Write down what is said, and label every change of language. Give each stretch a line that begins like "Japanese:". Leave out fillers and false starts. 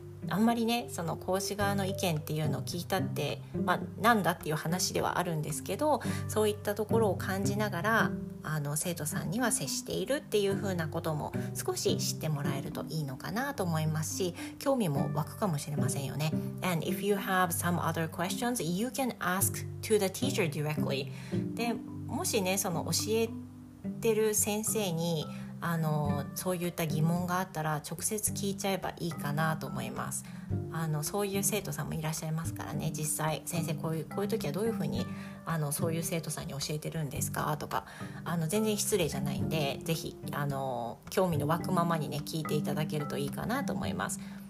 Japanese: あんまりね、その講師側の意見っていうのを聞いたって、まあ、なんだっていう話ではあるんですけど、そういったところを感じながらあの生徒さんには接しているっていうふうなことも少し知ってもらえるといいのかなと思いますし、興味も湧くかもしれませんよね。
English: And if you have some other questions, you can ask to the teacher directly.
Japanese: で、もしね、その教えてる先生にあのそういった疑問があったら直接聞いちゃえばいいかなと思います。あのそういう生徒さんもいらっしゃいますからね。実際先生こういう時はどういうふうにあのそういう生徒さんに教えてるんですかとか、あの全然失礼じゃないんで、ぜひあの興味の湧くままにね聞いていただけるといいかなと思います。